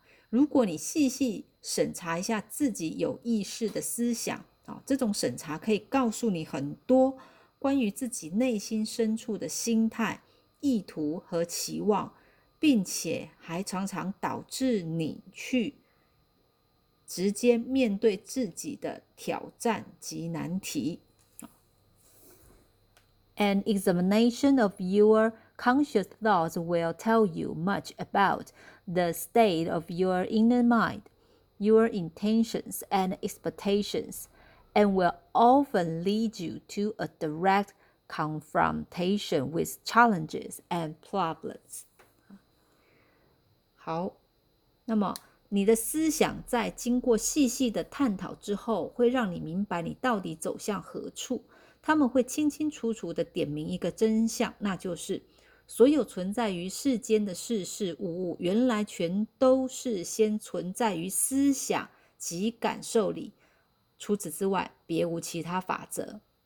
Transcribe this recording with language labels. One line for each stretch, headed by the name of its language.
Chinese: 如果你细细审查一下自己有意识的思想，这种审查可以告诉你很多关于自己内心深处的心态、意图和期望，并且还常常导致你去直接面对自己的挑战及难题。
English: An examination of your conscious thoughts will tell you much about the state of your inner mind, your intentions and expectations, and will often lead you to a direct confrontation with challenges and problems.
Chinese: 好，那么你的思想在经过细细的探讨之后，会让你明白你到底走向何处。他们会清清楚楚地点明一个真相，那就是所有存在于世间的事事物物，原来全都是先存在于思想及感受里，除此之外别无其他法则。